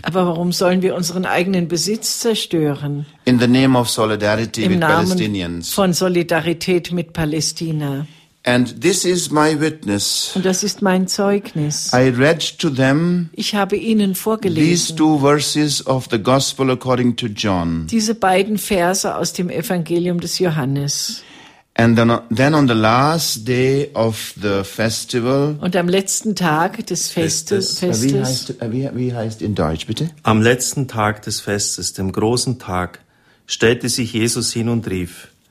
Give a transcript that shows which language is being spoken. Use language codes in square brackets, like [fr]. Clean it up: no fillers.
[de] Aber warum sollen wir unseren eigenen Besitz zerstören? [en] In the name of solidarity with Palestinians. [de] Im Namen von Solidarität mit Palästina. [en] And this is my witness. [de] Und das ist mein Zeugnis. [en] I read to them. [de] Ich habe ihnen vorgelesen. [en] These two verses of the Gospel according to John. [de] Diese beiden Verse aus dem Evangelium des Johannes. [en] And then on the last day of the festival. [de] Und am letzten Tag des Festes. Wie heißt in Deutsch, bitte? Am letzten Tag des Festes, dem großen Tag, stellte sich Jesus hin und rief.